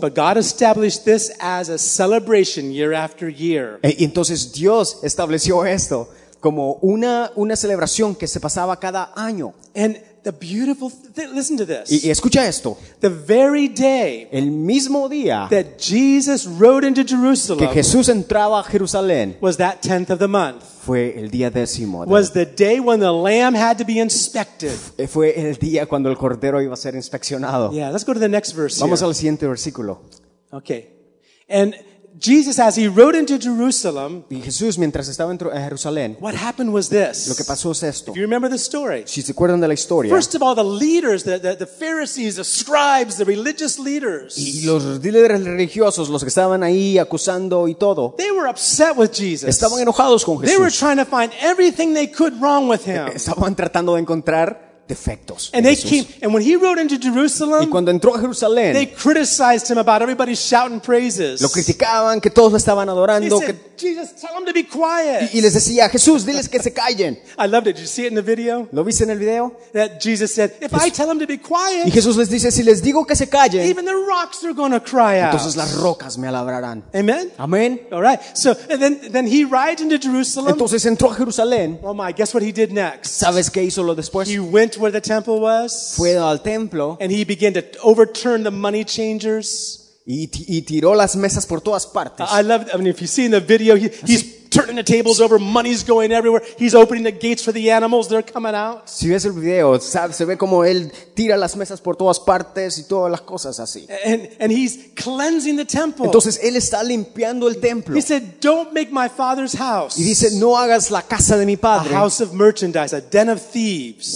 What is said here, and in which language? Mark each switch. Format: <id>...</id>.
<en>But God established this as a celebration year after year.</en> <es>Y entonces Dios estableció esto como una celebración que se pasaba cada año.</es> <en>And the beautiful thing, listen to this.</en> <es>Y escucha esto.</es> <en>The very day,</en> <es>el mismo día,</es> <en>that Jesus rode into Jerusalem,</en> <es>que Jesús entraba a Jerusalén,</es> <en>was that 10th of the month.</en> <es>Fue el día décimo.</es> <en>Was the day when the lamb had to be inspected.</en> <es>Fue el día cuando el cordero iba a ser inspeccionado.</es> <en>Yeah, let's go to the next verse.</en> <es>Vamos</es> <en>here.</en> <es>Al siguiente versículo.</es> <en>Okay, and Jesus, as he rode into Jerusalem,</en> <es>y Jesús, mientras estaba dentro de Jerusalén,</es> <en>what happened was this.</en> <es>Lo que pasó es esto.</es> <en>If you remember the story,</en> <es>si se acuerdan de la historia,</es> <en>first of all, the leaders, the Pharisees, the scribes, the religious leaders,</en> <es>y los líderes religiosos, los que estaban ahí acusando y todo,</es> <en>they were upset with Jesus.</en> <es>Estaban enojados con Jesús.</es> <en>They were trying to find everything they could wrong with him.</en> <es>Estaban tratando de encontrar defectos.</es> <en>And they came, and when he rode into Jerusalem,</en> <es>y cuando entró a Jerusalén,</es> <en>they criticized him about everybody shouting praises.</en> <es>Lo criticaban, que todos lo estaban adorando.</es> <en>He said, Jesus, tell them to be quiet.</en> <es>Y les decía, Jesús, diles que se callen.</es> <en>I loved it. Did you see it in the video?</en> <es>¿Lo viste en el video?</es> <en>That Jesus said, if Jesús, I tell them to be quiet,</en> <es>y Jesús les dice, si les digo que se callen,</es> <en>even the rocks are going to cry out.</en> <es>Entonces las rocas me alabrarán.</es> <en>Amen.</en> <es>Amen.</es> <en>All right. So and then he rides into Jerusalem.</en> <es>Entonces entró a Jerusalén.</es> <en>Oh my, guess what he did next?</en> <es>¿Sabes qué hizo lo después?</es> <en>He went where the temple was.</en> <es>Fue al templo.</es> <en>And he began to overturn the money changers.</en> <es>Y tiró las mesas por todas partes.</es> <en>I love, I mean, if you see in the video, he's turning the tables over, money's going everywhere. He's opening the gates for the animals, they're coming out.</en> <es>Si ves el video, se ve como él tira las mesas por todas partes y todas las cosas así.</es> <en>And he's cleansing the temple.</en> <es>Entonces él está limpiando el templo.</es> <en>He said, "Don't make my father's house."</en> <es>Y dice, "No hagas la casa de mi padre."</es> <en>A house of merchandise, a den of thieves.</en>